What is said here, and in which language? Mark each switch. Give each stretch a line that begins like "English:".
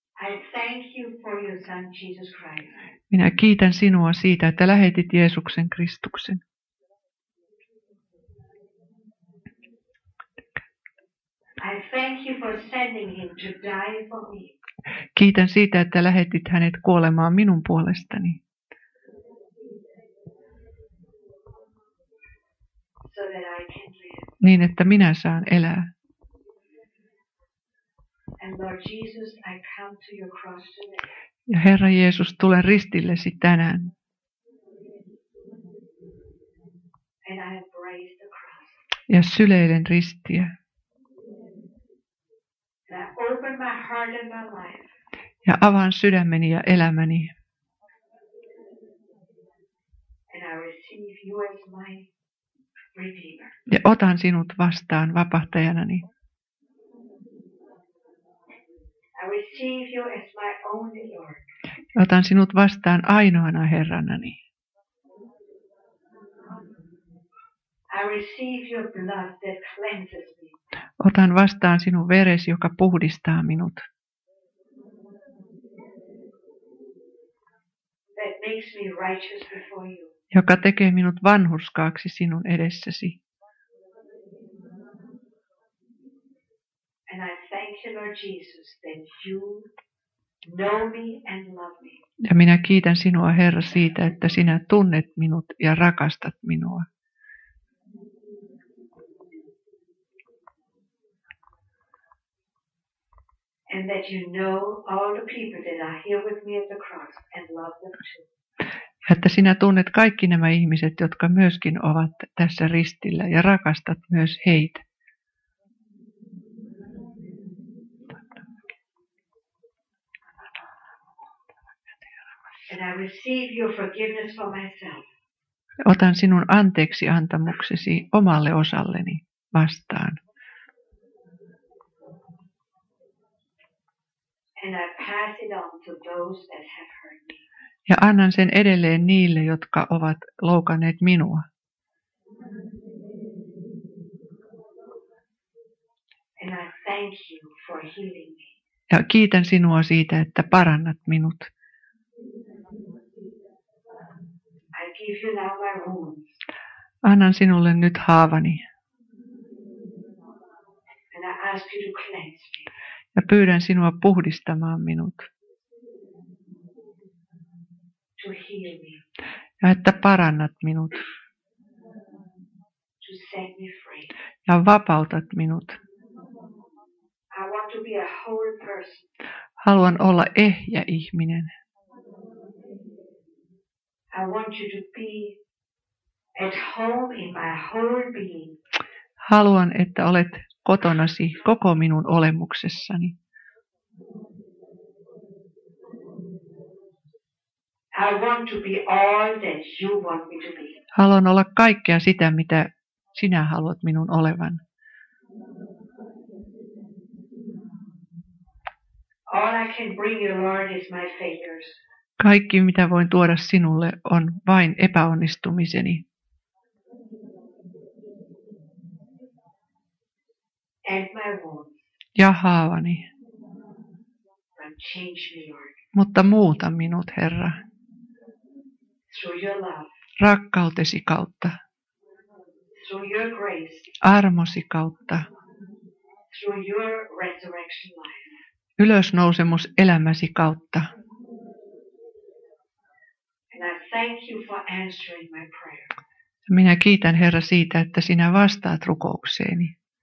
English: I thank you for your son Jesus Christ.
Finnish: Minä kiitän sinua siitä, että lähetit Jeesuksen Kristuksen.
English: I thank you for sending him to die for me.
Finnish: Kiitän siitä, että lähetit hänet kuolemaan minun puolestani.
English: So that I can live.
Finnish: Niin, että minä saan elää.
English: And Lord Jesus, I come to your cross today.
Finnish: Ja Herra Jeesus, tulen ristillesi tänään.
English: And I embrace the cross.
Finnish: Ja syleilen ristiä.
English: And I open my heart and my life.
Finnish: Ja avaan sydämeni ja elämäni.
English: And I receive you as my
Finnish: Ja otan sinut vastaan vapahtajanani.
English: I receive you as my only Lord.
Finnish: Otan sinut vastaan ainoana Herranani.
English: I receive your blood that cleanses me.
Finnish: Otan vastaan sinun veresi, joka puhdistaa minut.
English: That makes me righteous before you.
Finnish: Joka tekee minut vanhurskaaksi sinun edessäsi.
English: And I thank you, Lord Jesus, that you know me and love me.
Finnish: Ja minä kiitän sinua, Herra, siitä, että sinä tunnet minut ja rakastat minua.
English: And that you know all the people that are here with me at the cross and love them too.
Finnish: Että sinä tunnet kaikki nämä ihmiset, jotka myöskin ovat tässä ristillä ja rakastat myös heitä.
English: And I receive your forgiveness for myself.
Finnish: Otan sinun anteeksi antamuksesi omalle osalleni vastaan.
English: And I pass it on to those that have hurt me.
Finnish: Ja annan sen edelleen niille, jotka ovat loukanneet minua.
English: And I thank you for healing me.
Finnish: Ja kiitän sinua siitä, että parannat minut.
English: I give you now my wounds.
Finnish: Annan sinulle nyt haavani.
English: And I ask you to cleanse me.
Finnish: Ja pyydän sinua puhdistamaan minut.
English: To heal me.
Finnish: Ja että parannat minut.
English: To set me free.
Finnish: Ja vapautat minut.
English: I want to be a whole person.
Finnish: Haluan olla ehjä ihminen.
English: I want you to be at home in my whole being.
Finnish: Haluan, että olet kotonasi koko minun olemuksessani.
English: I want to be all that you want me to be.
Finnish: Haluan olla kaikkea sitä, mitä sinä haluat minun olevan.
English: All I can bring you, Lord, is my failures.
Finnish: Kaikki, mitä voin tuoda sinulle, on vain epäonnistumiseni.
English: And my wounds.
Finnish: Ja haavani.
English: But change me, Lord.
Finnish: Mutta muuta minut, Herra.
English: Through your love.
Finnish: Rakkautesi kautta.
English: Through your grace.
Finnish: Armosi kautta.
English: Through your resurrection life.
Finnish: Ylösnousemus elämäsi kautta.
English: And I thank you for answering my prayer.
Finnish: Minä kiitän, Herra, siitä, että sinä vastaat rukoukseeni.